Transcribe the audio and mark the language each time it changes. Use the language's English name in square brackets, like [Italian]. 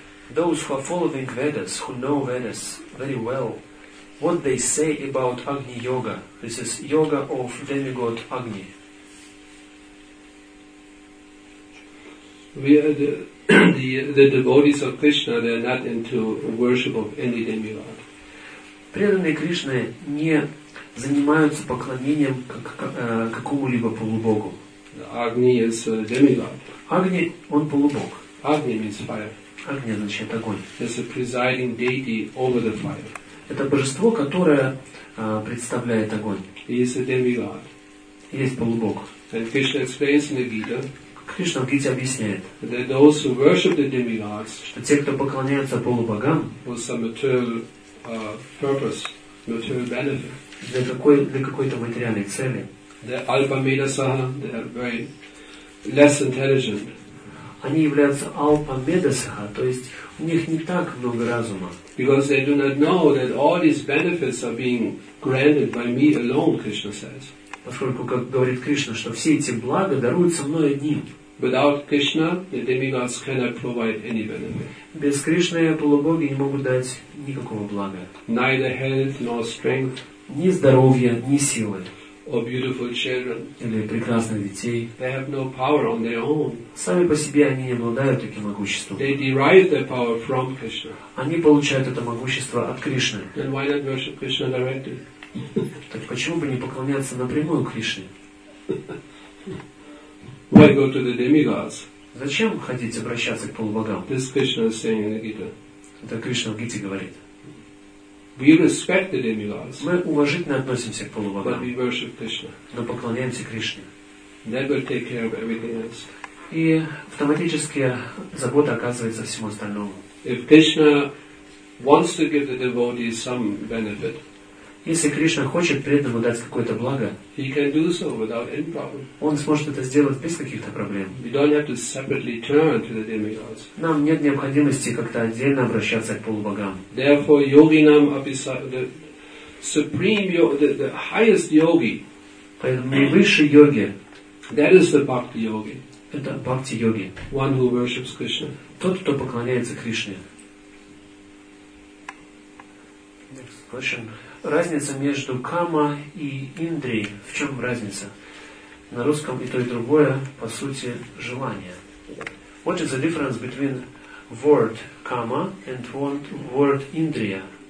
[English] Those who are following Vedas, who know Vedas very well, what they say about Агни-йога? This is yoga of demigod Agni. We are the devotees of Krishna. They are not into worship of any demigod. [Russian] Преданные Кришны не занимаются поклонением какому-либо полубогу. [English] Агни is a demigod. [Russian] Агни, он полубог. [English] Агни means fire. [Russian] Агни означает огонь. [English] It's a presiding deity over the fire. [Russian] Это божество, которое представляет огонь. [English] He is a demigod. [Russian] Есть полубог. [English] And Krishna explains in the Gita. [Russian] Кришна в Гите объясняет, [English] that those who worship the demigods, [Russian] что те, кто поклоняется полубогам, [English] for some material purpose, material benefit, [Russian] для какой-то материальной цели, [English] the alpamedasaha, they are very less intelligent. [Russian] Они являются алпамедасаха, то есть у них не так много разума. [English] Because they do not know that all these benefits are being granted by me alone, Krishna says. [Russian] Поскольку, как говорит Кришна, что все эти блага даруются мной одним. [English] Without Krishna, the demigods cannot provide any benefit. [Russian] Без Кришны полубоги не могут дать никакого блага. [English] Neither health nor strength. [Russian] Ни здоровья, ни силы. [English] Or beautiful children. [Russian] Или прекрасных детей. [English] They have no power on their own. [Russian] Сами по себе они не обладают таким могуществом. [English] They derive their power from Krishna. [Russian] Они получают это могущество от Кришны. [English] Then why not worship Krishna directly? [Russian] Так почему бы не поклоняться напрямую Кришне? [English] Why go to the demigods? [Russian] Зачем ходить обращаться к полубогам? [English] This Krishna is saying in the Gita. [Russian] Это Кришна в Гите говорит. [English] We respect the demigods. [Russian] Мы уважительно относимся к полубогам. [English] But we worship Krishna. [Russian] Но поклоняемся Кришне. [English] That will take care of everything else. [Russian] И автоматически забота оказывается всему остальному. [English] If Krishna wants to give the devotee some benefit. [Russian] Если Кришна хочет преданному дать какое-то благо, [English] he can do so without any problem. [Russian] Он сможет это сделать без каких-то проблем. [English] We don't have to separately turn to the demigods. [Russian] Нам нет необходимости как-то отдельно обращаться к полубогам. [English] Therefore, yoginam abhisara, the supreme yogi, the highest yogi, [Russian] поэтому высший йоги, [English] that is the bhakti yogi, [Russian] это бхакти йоги, [English] one who worships Krishna, [Russian] тот, кто поклоняется Кришне. [English] Next question. [Russian] Разница между кама и индрией. В чем разница? На русском и то, и другое, по сути, желание. [English] What is the difference between word kama and word indriya?